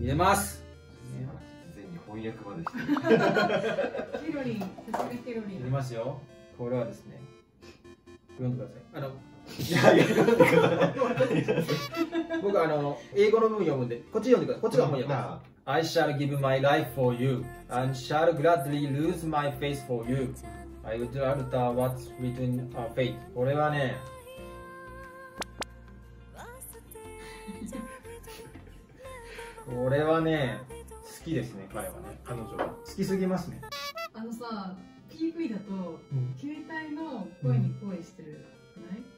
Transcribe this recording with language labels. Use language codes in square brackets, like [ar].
[ja] 見れます。事前に翻訳までしてる。キロリン、進めキロリン。見ますよ。これはですね、読んでください。あの、いや、読んでください。僕、あの、英語の部分読むんで、こっち読んでください。こっちが翻訳です。 [en] I shall give my life for you and shall gladly lose my face for you. I would alter what's written our fate. [ja] これはね、これはね、好きですね、彼はね、彼女は好きすぎますね。あのさ、PV だと、うん、携帯の声に恋してるない、